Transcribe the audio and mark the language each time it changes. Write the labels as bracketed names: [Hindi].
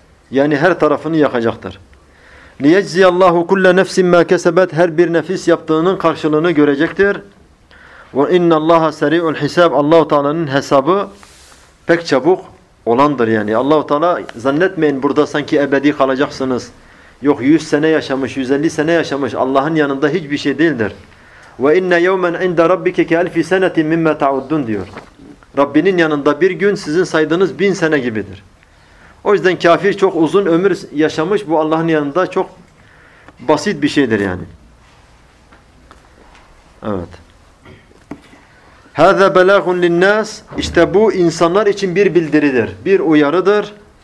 [Turkish] Yani her tarafını yakacaktır. [Arabic] لِيَجْزِيَ اللّٰهُ كُلَّ نَفْسٍ مَا كَسَبَتْ [Turkish] Her bir nefis yaptığının karşılığını görecektir. [Arabic] وَاِنَّ اللّٰهَ سَرِيعُ الْحِسَابِ [Turkish] Allah-u Teala'nın hesabı pek çabuk olandır yani. Allah-u Teala zannetmeyin burada sanki ebedi kalacaksınız. Yok 100 sene yaşamış, 150 sene yaşamış Allah'ın yanında hiçbir şey değildir. [Arabic] وَاِنَّ يَوْمَنْ عِنْدَ رَبِّكَ كَالْفِ سَنَةٍ مِمَّا تَعُدُّونَ [Turkish] diyor. Rabbinin yanında bir gün sizin saydığınız 1000 sene gibidir. O yüzden kafir çok uzun ömür yaşamış. Bu Allah'ın yanında çok basit bir şeydir yani. Evet. [Arabic] هَذَا بَلَاغٌ لِلنَّاسِ [Turkish] İşte bu insanlar için bir bildiridir, bir uyarıdır.